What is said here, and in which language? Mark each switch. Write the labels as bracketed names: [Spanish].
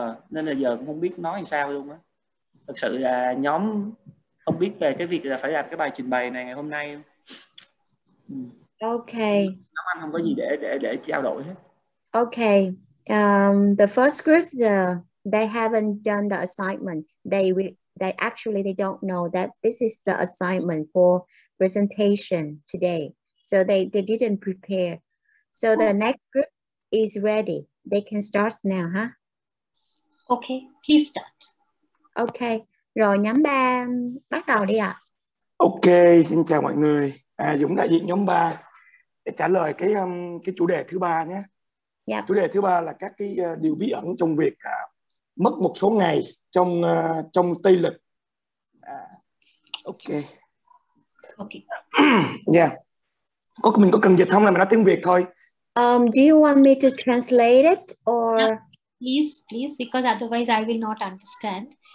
[Vietnamese] Nên là giờ cũng không biết nói làm sao luôn á. Thật sự là nhóm không biết về cái việc là phải làm cái bài trình bày này ngày hôm nay. [English] Ok. [Vietnamese] Nhóm anh không có gì để trao đổi hết. [English] Ok. The first group, they haven't done the assignment. They don't know that this is the assignment for presentation today. So they didn't prepare. So the next group is ready. They can start now, huh? Okay, please start. [Vietnamese] Okay, rồi nhóm 3 bắt đầu đi ạ. Okay, xin chào mọi người. Dũng đại diện nhóm 3 để trả lời cái chủ đề thứ 3 nhé. [English] Yep. [Vietnamese] Chủ đề thứ 3 là các cái điều bí ẩn trong việc mất một số ngày trong trong Tây lịch. [English] Ok. Ok. Yeah. [Vietnamese] Mình có cần dịch không là mình nói tiếng Việt thôi. [English] Do you want me to translate it or yeah, please because otherwise I will not understand.